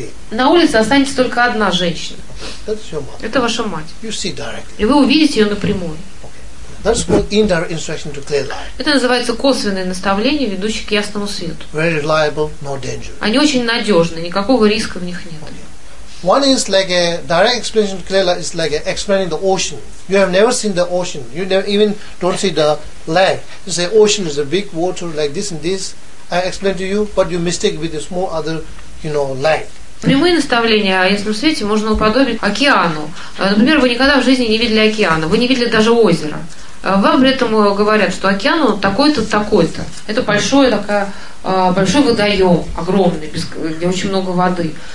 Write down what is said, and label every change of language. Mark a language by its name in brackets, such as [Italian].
[Russian] На улице останется только одна женщина. Это ваша мать. И вы увидите ее напрямую. [English] That's called indirect instruction to clear light. [Russian] Это называется косвенное наставление, ведущее к ясному свету. [English] Very reliable, no danger. [Russian] Они очень надежны, никакого риска в них нет. [English] Okay. One is like a direct explanation to clear light is like explaining the ocean. You have never seen the ocean. You never even don't see the land. You say ocean is a big water like this and this. I explain to you, but you mistake with a small other, you know, light. [Russian] Прямые наставления о ясном свете можно уподобить океану. Например, вы никогда в жизни не видели океана, вы не видели даже озера. Вам при этом говорят, что океан такой-то, такой-то. Это большой водоем, огромный, где очень много воды.